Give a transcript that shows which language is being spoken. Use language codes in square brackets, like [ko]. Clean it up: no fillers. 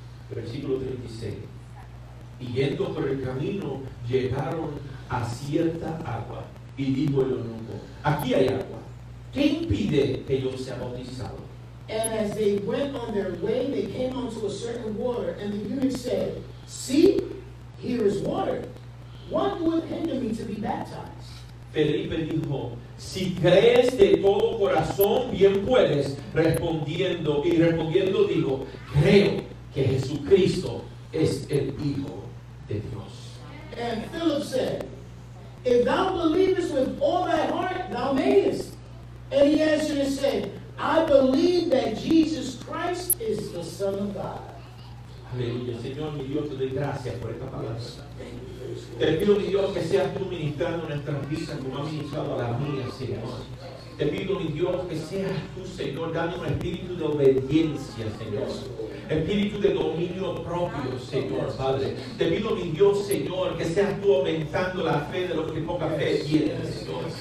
[es] Versículo 36. Y yendo por el camino llegaron a cierta agua y dijo el eunuco, aquí hay agua. ¿Qué impide que yo sea bautizado? [en] And as they went on their way, they came unto a certain water, and the eunuch said, see, here is water. What would hinder me to be baptized? [es] Felipe dijo, si crees de todo corazón, bien puedes, respondiendo dijo, creo que Jesucristo es el Hijo de Dios. [en] And Philip said, if thou believest with all thy heart, thou mayest. And he answered and said, I believe that Jesus Christ is the Son of God. [es] Aleluya, Señor, mi Dios, te doy gracias por esta palabra. Te pido, mi Dios, que seas tú ministrando nuestras vidas como has ministrado a la mía, Señor. Te pido, mi Dios, que seas tú, Señor, dando un espíritu de obediencia, Señor. Espíritu de dominio propio, Señor, Padre. Te pido, mi Dios, Señor, que seas tú aumentando la fe de los que poca fe tienen, Señor.